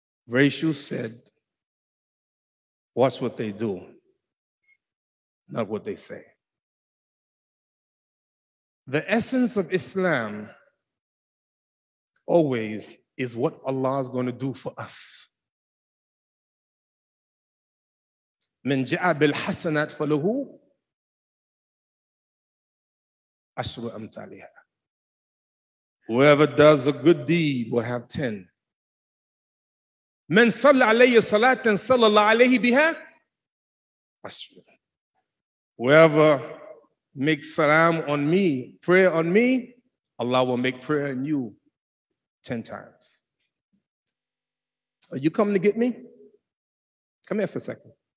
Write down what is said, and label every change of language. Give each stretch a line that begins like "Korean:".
English: Rashu said, watch what they do, not what they say. The essence of Islam always is what Allah is going to do for us.
Arabic: من جاء بالحسنات فله عشر أمثالها.
English: Whoever does a good deed will have 10.
Arabic: من صلى عليه صلاة صلى الله عليه بها عشر.
English: Whoever makes salam on me, prayer on me, Allah will make prayer on you 10 times. Are you coming to get me? Come here for a second.